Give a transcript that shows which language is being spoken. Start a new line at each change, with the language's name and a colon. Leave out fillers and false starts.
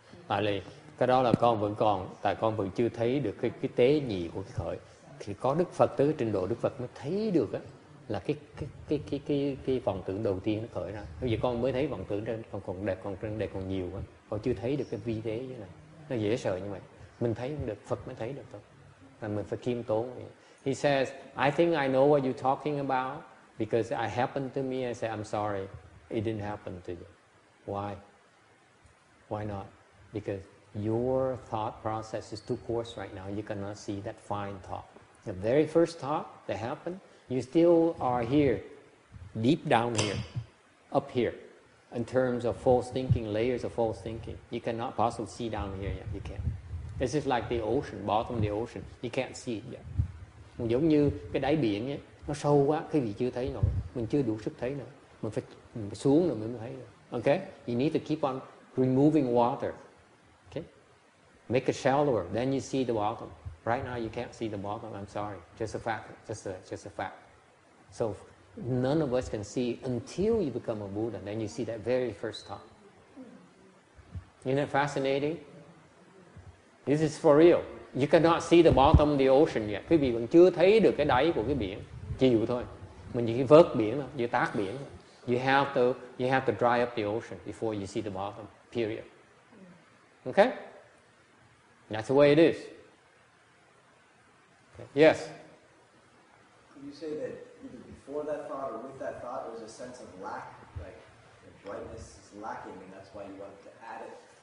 Vietnamese: Tại vì cái đó là con vẫn còn, tại con vẫn chưa thấy được cái tế nhị của cái khởi. Thì có Đức Phật tới trình độ Đức Phật mới thấy được á, là cái vọng tưởng đầu tiên nó khởi ra. Bây giờ con mới thấy vọng tưởng trên còn đẹp, còn trên đẹp còn nhiều á. Con chưa thấy được cái vi thế như này. Nó dễ sợ như vậy. Mình thấy không được, Phật mới thấy được thôi. Là mình phải khiêm tốn.
English: He says, I think I know what you're talking about because it happened to me. I say, I'm sorry. It didn't happen to you. Why? Why not? Because your thought process is too coarse right now. You cannot see that fine thought. The very first thought that happened, you still are here, deep down here, up here, in terms of false thinking, layers of false thinking. You cannot possibly see down here yet. You can't. This is like the ocean, bottom of the ocean. You can't see it yet.
Vietnamese: Giống như cái đáy biển ấy, nó sâu quá, cái gì chưa thấy nổi. Mình chưa đủ sức thấy nữa. Mình phải xuống rồi mình mới thấy được.
English: Okay, you need to keep on removing water. Okay, make it shallower. Then you see the bottom. Right now, you can't see the bottom. I'm sorry. Just a fact. So none of us can see until you become a Buddha. Then you see that very first thought. Isn't that fascinating? This is for real. You cannot see the bottom of the ocean yet.
Vietnamese: Quý vị vẫn chưa thấy được cái đáy của cái biển. Chịu thôi. Mình chỉ vớt biển thôi, chỉ tát biển thôi.
English: You have to dry up the ocean before you see the bottom, period. Okay? That's the way it is. Okay. Yes? Could you say that either before that thought or with that thought there was a sense of lack, like the brightness is lacking and that's why you want to add it?